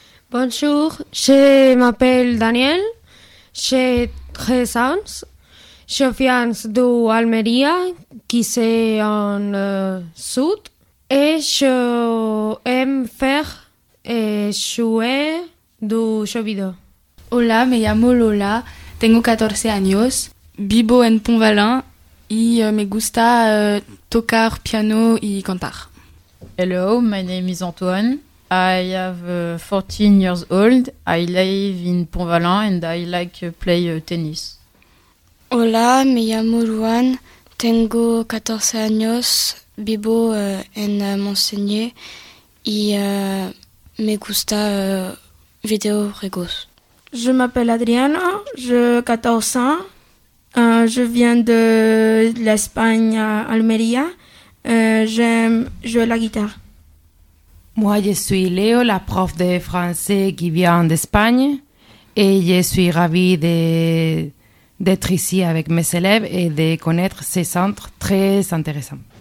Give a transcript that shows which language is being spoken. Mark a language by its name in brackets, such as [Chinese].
[French] Bonjour, je m'appelle Daniel, j'ai 13 ans. Je viens d'Almeria, qui c'est en sud, et je aime faire et jouer du jeu vidéo. [Spanish] Hola, me llamo Lola, tengo 14 años, vivo en Pont-Vallin, y me gusta tocar piano y cantar. [English] Hello, my name is Antoine, I have 14 years old, I live in Pont-Vallin and I like to play tennis. [Spanish] Hola, me llamo Juan, tengo 14 años, vivo en Montseny y me gusta videojuegos. [French] Je m'appelle Adriana, j'ai 14 ans, je viens de l'Espagne à Almeria, j'aime jouer la guitare. Moi, je suis Léo, la prof de français qui vient d'Espagne, et je suis ravie d'être ici avec mes élèves et de connaître ces centres très intéressants.